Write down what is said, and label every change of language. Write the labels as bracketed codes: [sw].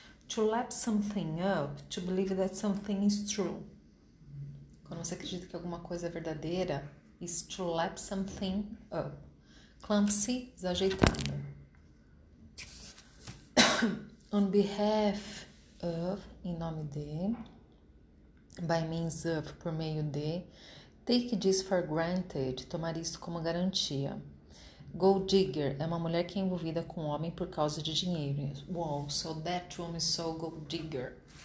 [en] To lap something up, to believe that something is true. [pt] Quando você acredita que alguma coisa é verdadeira, [en] is to lap something up. Clumsy, desajeitado. On behalf of, [pt] em nome de, [en] by means of, [pt] por meio de, [en] take this for granted, [pt] tomar isso como garantia. Gold digger é uma mulher que é envolvida com um homem por causa de dinheiro. [en] Wow, so that woman is so gold digger.